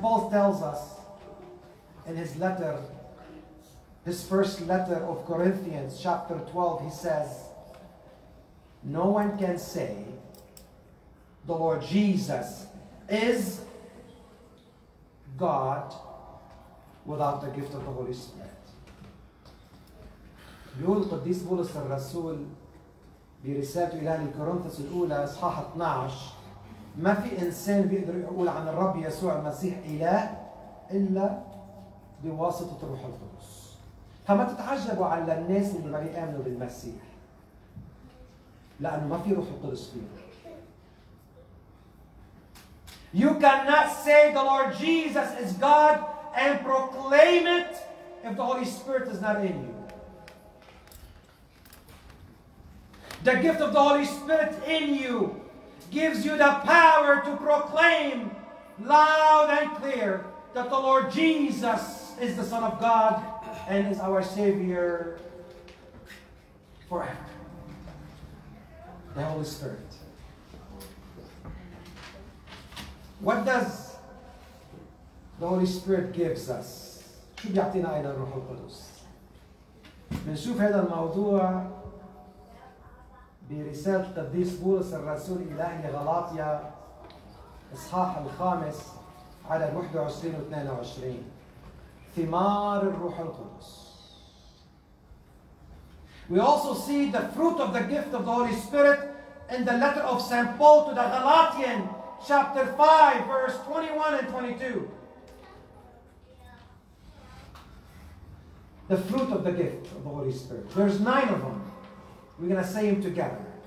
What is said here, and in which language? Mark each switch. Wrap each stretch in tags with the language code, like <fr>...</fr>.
<en>Paul tells us in his letter, his first letter of Corinthians, chapter 12, he says, no one can say the Lord Jesus is God without the gift of the Holy Spirit.</en> <ar>يقول القديس بولس الرسول برسالته إلى كورنثوس الأولى إصحاح 12، ما في إنسان بيقدر يقول عن الرب يسوع المسيح إله إلا بواسطة الروح القدس. فما تتعجبوا على الناس اللي ما بيؤمنوا بالمسيح، لأنه ما في روح القدس فيه.</ar> <en>You cannot say the Lord Jesus is God and proclaim it if the Holy Spirit is not in you. The gift of the Holy Spirit in you gives you the power to proclaim loud and clear that the Lord Jesus is the Son of God and is our Savior forever. The Holy Spirit. What does the Holy Spirit gives us?</en> <ar>شو بيعطينا أيضا الروح القدس؟ بنشوف هذا الموضوع برسالة القديس بولس الرسول إلى أهل غلاطيا إصحاح الخامس على 21 و 22. ثمار الروح القدس.</ar> <en>We also see the fruit of the gift of the Holy Spirit in the letter of St. Paul to the Galatians, chapter 5, verse 21 and 22. The fruit of the gift of the Holy Spirit. There's 9 of them. We're going to say them together.</en>